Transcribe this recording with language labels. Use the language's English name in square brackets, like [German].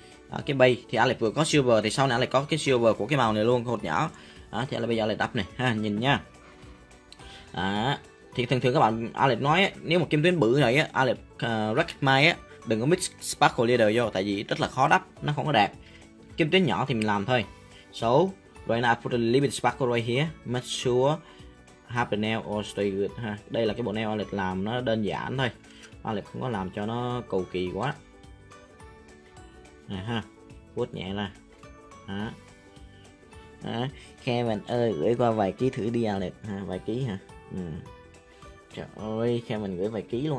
[Vietnamese] Đó, cái bay thì Alex vừa có silver thì sau này Alex có cái silver của cái màu này luôn, cái hột nhỏ. Đó, thì Alex bây giờ Alex đắp này, ha, nhìn nha. Đó, thì thường thường các bạn Alex nói nếu mà kim tuyến bự này Alex recommend đừng có [English] mix sparkle leader [Vietnamese] vô, tại vì rất là khó đắp, nó không có đẹp. Kim tuyến nhỏ thì mình làm thôi. [English] So, right now I put a little bit sparkle right here. Make sure have the nail all stay good ha. [Vietnamese] Đây là cái bộ nail Alex làm nó đơn giản thôi. Alex không có làm cho nó cầu kỳ quá. Này ha, vuốt nhẹ ra. Hả? Hả? Kevin ơi, gửi qua vài ký thử đi Alex ha, vài ký hả? Trời ơi, Kevin gửi vài ký luôn.